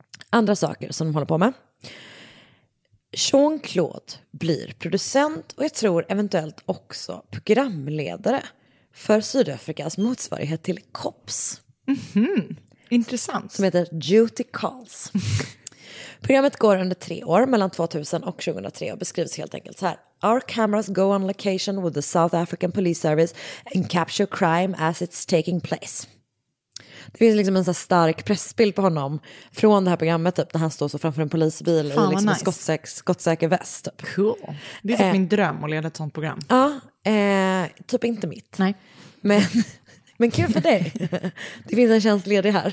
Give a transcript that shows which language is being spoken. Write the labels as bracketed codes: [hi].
[sv] Andra saker som de håller på med. Jean-Claude blir producent och jag tror eventuellt också programledare för Sydafrikas motsvarighet till COPS. Mm-hmm. Intressant. Som heter Duty Calls. Programmet går under 3 år, mellan 2000 och 2003, och beskrivs helt enkelt så här. [en] Our cameras go on location with the South African Police Service and capture crime as it's taking place. [sv] Det finns liksom en sån stark pressbild på honom från det här programmet, typ, när han står så framför en polisbil i liksom nice. Skottsäker väst. Typ. Cool. Det är typ min dröm att leda ett sånt program. Ja, typ inte mitt. Nej. Men kul för dig. Det finns en tjänst ledig här.